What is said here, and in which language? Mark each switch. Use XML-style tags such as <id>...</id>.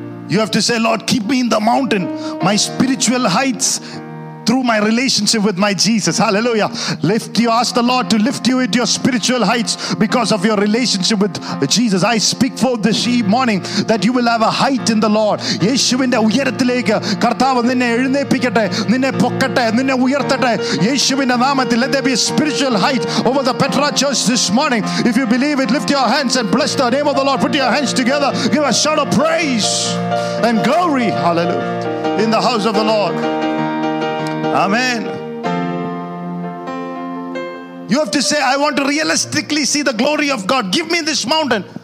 <en>You have to say, Lord, keep me in the mountain, my spiritual heights, through my relationship with my Jesus. Hallelujah. Ask the Lord to lift you into your spiritual heights because of your relationship with Jesus. I speak for this morning that you will have a height in the Lord.</en> <ml>യേശുവിന്റെ ഉയരത്തിലേക്ക് കർത്താവ് നിന്നെ എഴുന്നേൽപ്പിക്കട്ടെ, നിന്നെ പൊക്കട്ടെ, നിന്നെ ഉയർത്തട്ടെ. യേശുവിന്റെ നാമത്തിൽ,</ml> <en>let there be a spiritual height over the Petra church this morning. If you believe it, lift your hands and bless the name of the Lord. Put your hands together. Give a shout of praise and glory. Hallelujah. In the house of the Lord. Amen. You have to say, I want to realistically see the glory of God. Give me this mountain.</en>